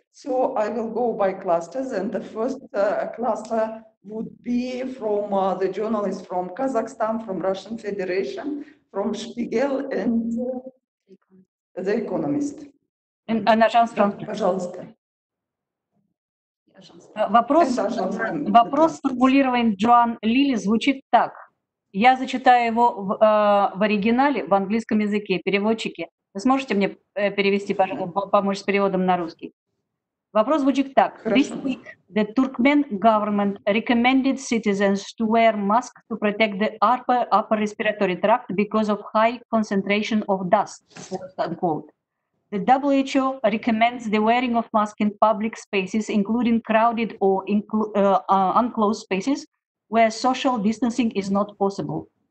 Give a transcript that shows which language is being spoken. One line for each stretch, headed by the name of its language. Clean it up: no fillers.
English: So I will go by clusters, and the first cluster would be from the journalists from Kazakhstan, from Russian Federation, from Spiegel, and The Economist. And Agence France.
Russian: Пожалуйста. Вопрос, сформулированный Джоан Лили, звучит так. Я зачитаю его в оригинале, в английском языке. Переводчики, вы сможете мне перевести, пожалуйста, помочь с переводом на русский? Вопрос звучит так. Хорошо.
English: This week, the Turkmen government recommended citizens to wear masks to protect the upper respiratory tract because of high concentration of dust, unquote. The WHO recommends the wearing of masks in public spaces, including crowded or unclosed spaces, where social distancing is not possible.